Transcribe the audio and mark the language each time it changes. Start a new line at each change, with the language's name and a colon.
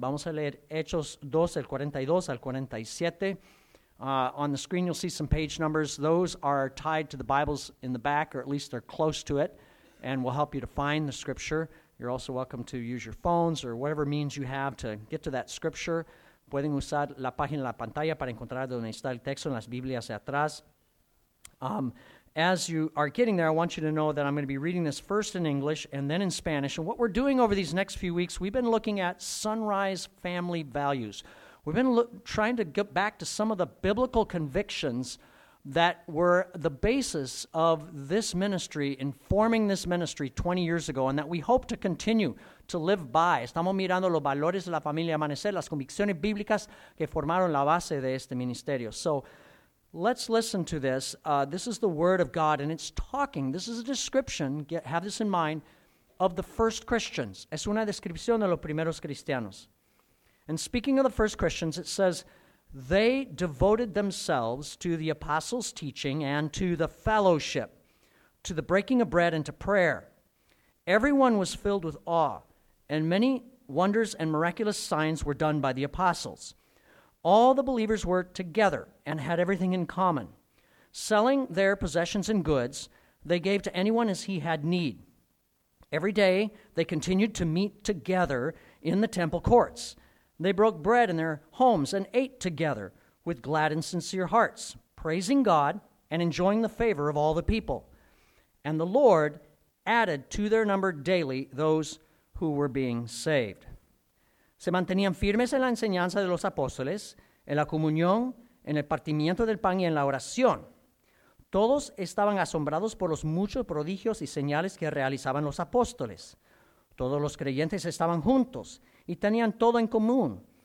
Spanish: Vamos a leer Hechos 2, el 42 al 47.
English: On the screen you'll see some page numbers. Those are tied to the Bibles in the back, or at least they're close to it, and will help you to find the scripture. You're also welcome to use your phones or whatever means you have to get to that scripture.
Spanish: Pueden usar la página, la pantalla, para encontrar donde está el texto en las Biblias de atrás.
English: As you are getting there, I want you to know that I'm going to be reading this first in English and then in Spanish. And what we're doing over these next few weeks, we've been looking at Sunrise family values. We've been trying to get back to some of the biblical convictions that were the basis of this ministry, informing this ministry 20 years ago, and that we hope to continue to live by.
Spanish: Estamos mirando los valores de la familia Amanecer, las convicciones bíblicas que formaron la base de este ministerio.
English: So let's listen to this. This is the Word of God, and it's talking. This is a description, have this in mind, of the first Christians.
Spanish: Es una descripción de los primeros cristianos.
English: And speaking of the first Christians, it says, they devoted themselves to the apostles' teaching and to the fellowship, to the breaking of bread and to prayer. Everyone was filled with awe, and many wonders and miraculous signs were done by the apostles. All the believers were together and had everything in common. Selling their possessions and goods, they gave to anyone as he had need. Every day, they continued to meet together in the temple courts. They broke bread in their homes and ate together with glad and sincere hearts, praising God and enjoying the favor of all the people. And the Lord added to their number daily those who were being saved.
Spanish: Se mantenían firmes en la enseñanza de los apóstoles, en la comunión, en el partimiento del pan y en la oración. Todos estaban asombrados por los muchos prodigios y señales que realizaban los apóstoles. Todos los creyentes estaban juntos y tenían todo en común.